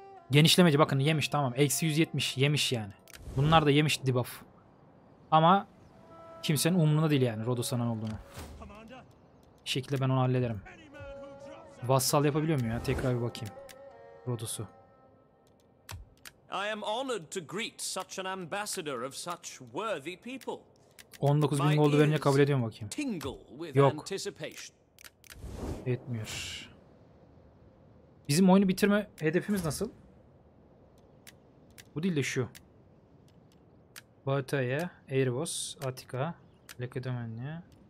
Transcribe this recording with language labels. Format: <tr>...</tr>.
<tr>Genişlemeci bakın yemiş tamam. Eksi 170 yemiş yani. Bunlar da yemiş debuff. Ama kimsenin umurunda değil yani Rodos'a ne olduğunu. Bir şekilde ben onu hallederim. Vassal yapabiliyor muyum ya? Tekrar bir bakayım. Rodos'u.</tr> <en>I am honored to greet such an ambassador of such worthy people.</en> <tr>19.000 gold verince kabul ediyor mu bakayım? Yok. Etmiyor. Bizim oyunu bitirme hedefimiz nasıl? Bu değil de şu. Baataya, Erebos, Attika, Lakedemonya.</tr>